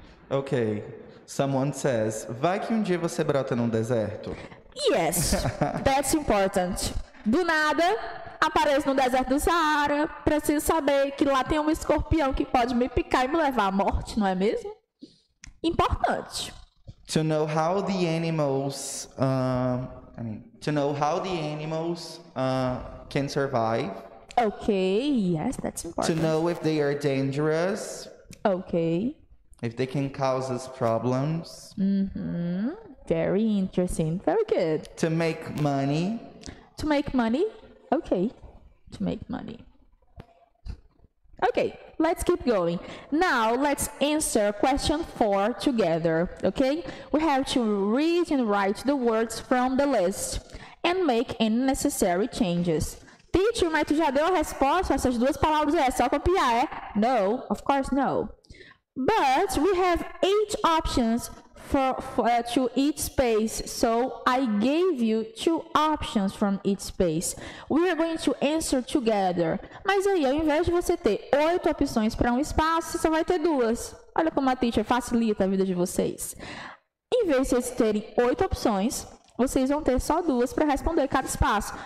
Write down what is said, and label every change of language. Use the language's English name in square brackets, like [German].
[English] Okay, someone says, [Portuguese] vai que dia você brota num deserto? [English] Yes, that's important. [Portuguese] Do nada, aparece no deserto do Saara, preciso saber que lá tem um escorpião que pode me picar e me levar à morte, não é mesmo? Importante. [English] To know how the animals, to know how the animals can survive. Okay, yes, that's important. To know if they are dangerous. Okay. If they can cause us problems. Mm-hmm. Very interesting. Very good. To make money. To make money. Okay. To make money. Okay, let's keep going. Now, let's answer question four together, okay? We have to read and write the words from the list and make any necessary changes. [Portuguese] Teacher, mas tu já deu a resposta? Essas duas palavras é só copiar, é? [English] No, of course, no. But we have eight options to each space. So I gave you two options from each space. We are going to answer together. [Portuguese] Mas aí, ao invés de você ter oito opções para um espaço, você só vai ter duas. Olha como a teacher facilita a vida de vocês. Em vez de vocês terem oito opções, vocês vão ter só duas para responder cada espaço.